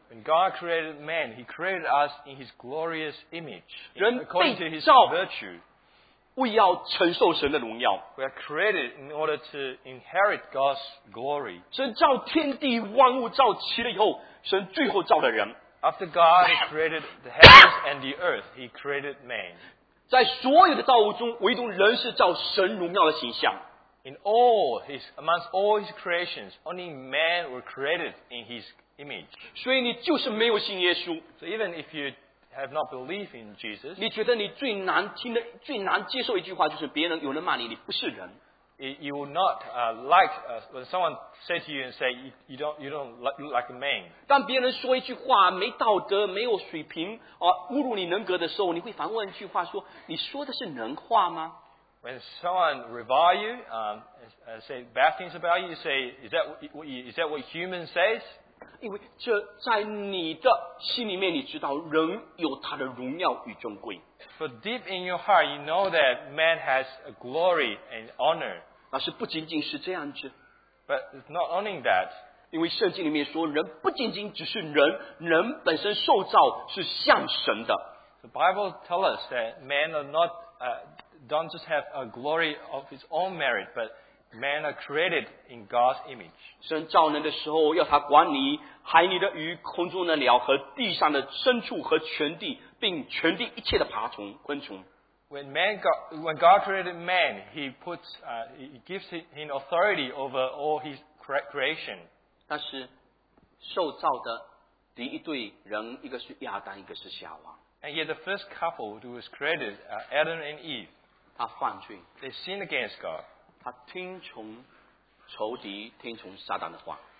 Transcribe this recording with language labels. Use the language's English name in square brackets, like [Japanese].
[English] When God created man, He created us in His glorious image. [Chinese] 人被造，为要承受神的荣耀。 [English] We are created in order to inherit God's glory. [Chinese] 神造天地万物，造齐了以后，神最后造了人。 [English] After God created the heavens and the earth, He created man. [Chinese] 在所有的造物中，唯独人是造神荣耀的形象。 [English] Amongst all his creations, only man were created in his image. [Chinese] 所以你就是没有信耶稣。 [English] So even if you have not believed in Jesus, [Chinese] 你觉得你最难听的、最难接受一句话就是别人有人骂你，你不是人。 [English] You will not like when someone say to you and say you don't like a man. [Chinese] 当别人说一句话没道德、没有水平啊、侮辱你人格的时候，你会反问一句话说：你说的是人话吗？ [English] When someone revile you, say bad things about you, you say, is that what human says? [Chinese] 因为这在你的心里面，你知道人有他的荣耀与尊贵。 [English] For deep in your heart, you know that man has a glory and honor. [Chinese] 那是不仅仅是这样子。 [English] But it's not only that. [Chinese] 因为圣经里面说人不仅仅只是人，人本身受造是像神的。 [English] The Bible tells us that man are not, don't just have a glory of his own merit, but men are created in God's image. [Chinese] 神造人的时候要他管理海里的鱼、空中的鸟和地上的牲畜和全地，并全地一切的爬虫、昆虫。 [English] When God created man, he puts, he gives him authority over all his creation. [Chinese] 但是受造的第一对人，一个是亚当，一个是夏娃。 [English] And yet the first couple who was created, Adam and Eve, [Chinese] 他犯罪。 [English] They sinned against God. [Chinese] 他听从仇敌，听从撒旦的话。